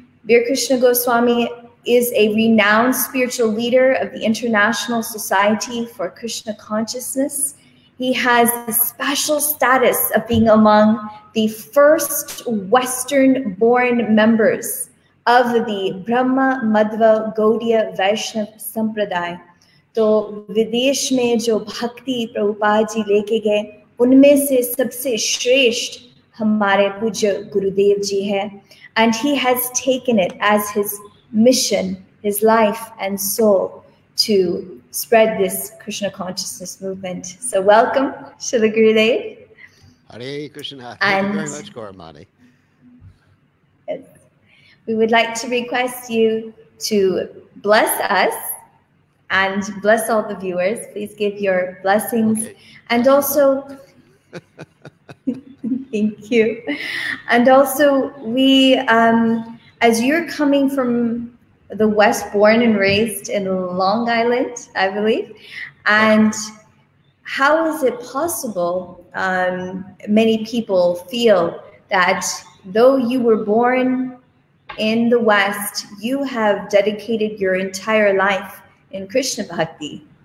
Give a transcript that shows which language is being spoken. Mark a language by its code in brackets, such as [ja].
[en] Bir Krishna Goswami is a renowned spiritual leader of the International Society for Krishna Consciousness. He has the special status of being among the first Western-born members of the Brahma Madhva Gaudiya Vaishnav Sampradaya. [hi] तो विदेश में जो भक्ति प्रभुपाद जी लेके गए उनमें से सबसे श्रेष्ठ हमारे पूज्य गुरुदेव जी हैं. [en] And he has taken it as his mission his life and soul to spread this Krishna consciousness movement. So welcome Shri Gurudev. [hi] हरे कृष्ण. गौरा मानी, [en] We would like to request you to bless us and bless all the viewers. Please give your blessings. Okay. And also, thank you. And also, we, as you're coming from the West, born and raised in Long Island, I believe, and how is it possible, many people feel that though you were born in the West, you have dedicated your entire life in Krishna Bhakti.